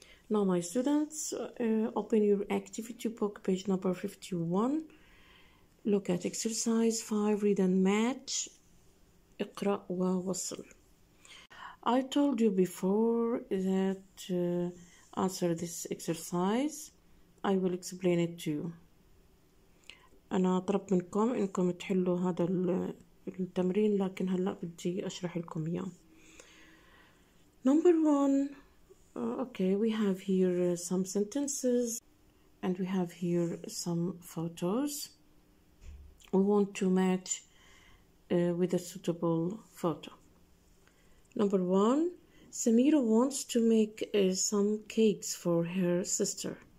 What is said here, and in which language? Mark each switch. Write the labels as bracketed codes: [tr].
[en] Now, my students, open your activity book, page number 51. Look at exercise 5, read and match. [ar] اقرأ ووصل. [en] I told you before that answer this exercise. I will explain it to you. [ar] أنا طلب منكم إنكم تحلوا هذا التمرين لكن هلأ بدي أشرح لكم إياه. [en] Number one. Okay, we have here some sentences and we have here some photos. We want to match with a suitable photo. Number one, Samira wants to make some cakes for her sister.